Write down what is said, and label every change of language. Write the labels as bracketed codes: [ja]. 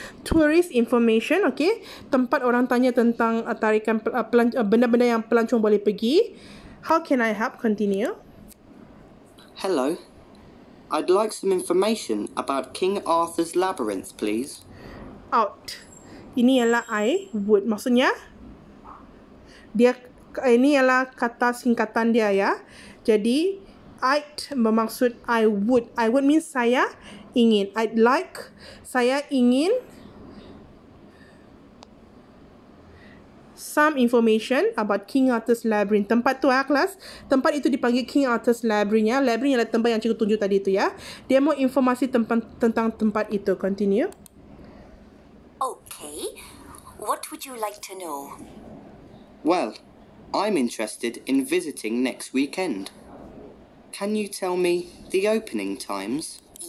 [en] Tourist Information, okay? [ms] Tempat orang tanya tentang tarikan benda-benda yang pelancong boleh pergi. [en] How can I help? Continue. Hello, I'd like some information about King Arthur's Labyrinth, please. Out. [ms] Ini ialah [en] I would, [ms] maksudnya dia, ini ialah kata singkatan dia ya. Jadi [en] I'd bermaksud I would. I would means [ms] saya ingin. [en] I'd like, [ms] saya ingin [en] some information about King Arthur's Labyrinth. [ms] Tempat tu ah, kelas. Tempat itu dipanggil King Arthur's Labyrinth ya. Labyrinth ialah tempat yang cikgu tunjuk tadi tu ya. Dia mau informasi tentang tempat itu. [en] Continue. Okay, what would you like to know? Well, I'm interested in visiting next weekend. Can you tell me the opening times?